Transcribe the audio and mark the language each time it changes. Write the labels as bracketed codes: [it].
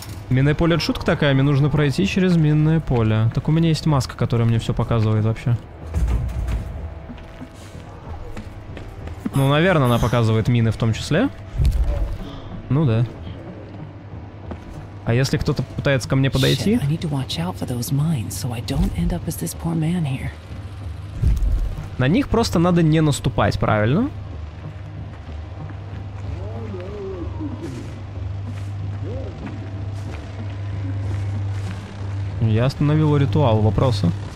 [ru] Минное поле — это шутка такая. Мне нужно пройти через минное поле. Так у меня есть маска, которая мне все показывает вообще. Ну, наверное, она показывает мины в том числе. Ну да. А если кто-то пытается ко мне подойти? [en] Shit, I need to watch out for those mines, so I don't end up as this poor man here. [ru] На них просто надо не наступать, правильно? Я остановил ритуал, вопросы.